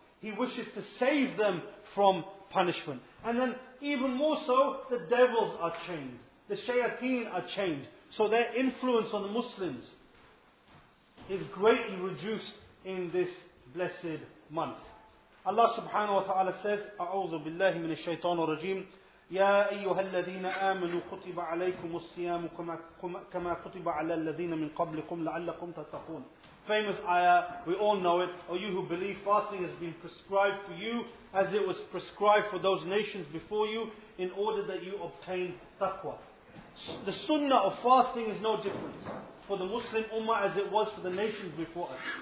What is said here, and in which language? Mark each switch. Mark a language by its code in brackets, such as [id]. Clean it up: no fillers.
[en] He wishes to save them from punishment. And then even more so, the devils are chained. The shayateen are chained. So their influence on the Muslims is greatly reduced in this blessed month. [ar] Allah subhanahu wa ta'ala says, أعوذ بالله من الشيطان الرجيم يا أيها الذين آمنوا كتب عليكم الصيام كما كتب على الذين من قبلكم لعلكم تتقون. [en] Famous ayah, we all know it. O you who believe, fasting has been prescribed for you as it was prescribed for those nations before you in order that you obtain taqwa. The sunnah of fasting is no different for the Muslim ummah as it was for the nations before us.